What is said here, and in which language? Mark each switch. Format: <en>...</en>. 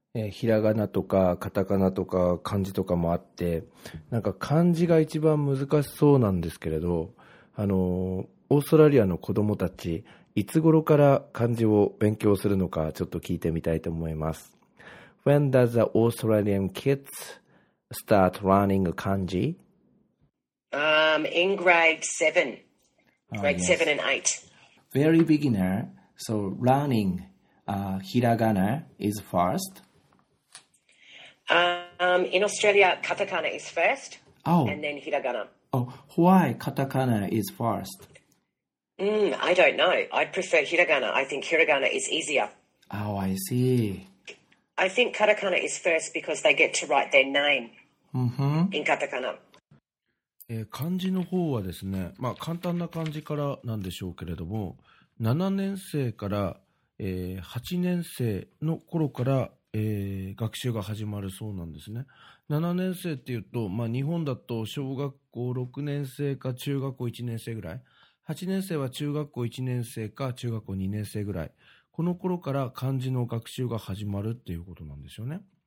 <ja>ひらがなとかカタカナとか漢字とかもあって、なんか漢字が一番難しそうなんですけれど、オーストラリアの子どもたち、いつ頃から漢字を勉強するのかちょっと聞いてみたいと思います。</ja> <en>When does the Australian kids start learning 漢字? In grade 7. Grade 7 and 8. Very beginner, so learning Hiragana is first? In Australia, katakana is first. Oh. And then hiragana. Oh, why katakana is first? I don't know. I'd prefer hiragana. I think hiragana is easier. Oh, I see. I think katakana is first because they get to write their name in katakana.</en> <ja>漢字の方はですね、まあ簡単な漢字からなんでしょうけれども、7年生から、8年生の頃から、学習が始まるそうなんですね。 7年生っていうと、まあ日本だと小学校6年生か中学校1年生ぐらい、8年生は中学校1年生か中学校2年生ぐらい、この頃から漢字の学習が始まるっていうことなんですよね。</ja>